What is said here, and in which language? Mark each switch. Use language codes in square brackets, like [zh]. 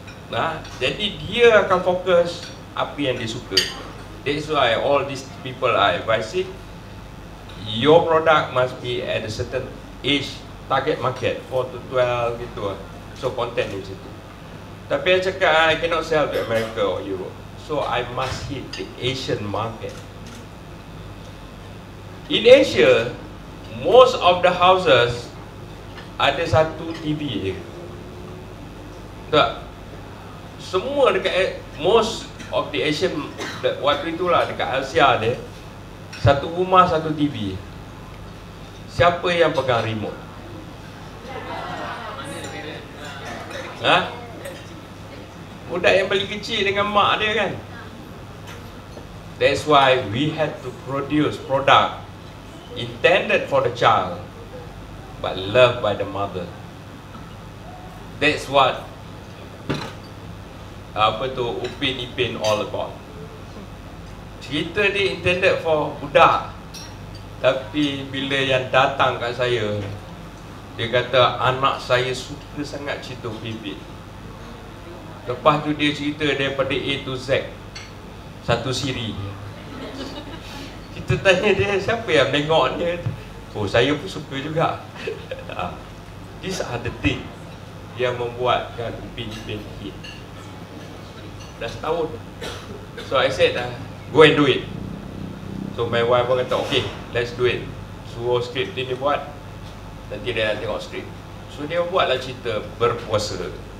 [ms] Nah, jadi dia akan fokus apa yang dia suka. [en] That's why all these people are advising, your product must be at a certain age, target market, 4 to 12 [ms] gitu. [en] So content [ms] macam tu. Tapi saya cakap, [en] I cannot sell to America or Europe. So I must hit the Asian market. In Asia, most of the houses [ms] ada satu TV je. Tak? Semua dekat [en] most of the Asian [ms] waktu itulah dekat Asia dia, satu rumah satu TV. Siapa yang pegang remote? Ha? Budak yang paling kecil dengan mak dia kan? [en] That's why we had to produce product intended for the child but loved by the mother. That's what [ms] apa tu [en] Upin Ipin all about. [ms] Cerita dia [en] intended for [ms] budak, tapi bila yang datang kat saya, dia kata anak saya suka sangat cerita Upin Ipin. Lepas tu dia cerita daripada A to Z satu siri. Kita tanya dia, siapa yang tengok dia? Oh, saya pun suka juga. [en] These are the thing [ms] yang membuatkan Upin-Ipin hit. Dah setahun. [en] So I said, go and do it. So my wife [ms] pun kata, [en] okay, let's do it. [ms] Suruh skrip dia ni buat, nanti dia nak tengok skrip. So dia buatlah cerita berpuasa.